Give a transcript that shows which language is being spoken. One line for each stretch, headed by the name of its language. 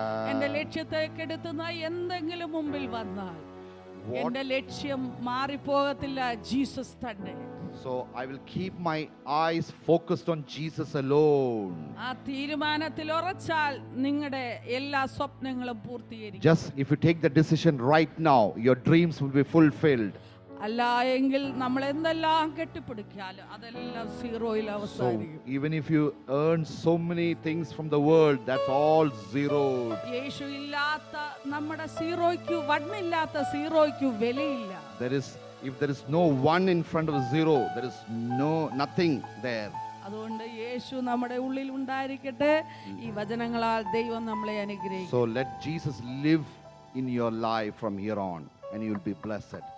Malayalam: എന്റെ ലക്ഷ്യത്തേക്കെടുത്ത് എന്തെങ്കിലും മുമ്പിൽ വന്നാൽ എന്റെ ലക്ഷ്യം മാറിപ്പോകത്തില്ല ജീസസ് തന്നെ
English: So I will keep my eyes focused on Jesus alone.
Malayalam: ആ തീരുമാനത്തിൽ ഉറച്ചാൽ നിങ്ങളുടെ എല്ലാ സ്വപ്നങ്ങളും പൂർത്തീകരിക്കും.
English: Just if you take the decision right now, your dreams will be fulfilled.
Malayalam: അല്ലെങ്കിൽ നമ്മൾ എന്തെല്ലാം കെട്ടിപ്പിടിക്കാലും അതെല്ലാം സീറോയിൽ അവസാനിക്കും.
English: Even if you earn so many things from the world, that's all zeroed.
Malayalam: യേശു ഇല്ലാത്ത നമ്മുടെ സീറോയ്ക്ക് വണ്ണില്ലാത്ത സീറോയ്ക്ക് വിലയില്ല.
English: If there is no one in front of zero, there is nothing there.
Malayalam: അതുകൊണ്ട് യേശു നമ്മുടെ ഉള്ളിൽ ഉണ്ടായിരിക്കട്ടെ ഈ വചനങ്ങളാൽ ദൈവം നമ്മളെ അനുഗ്രഹിക്കും.
English: So let Jesus live in your life from here on and you will be blessed.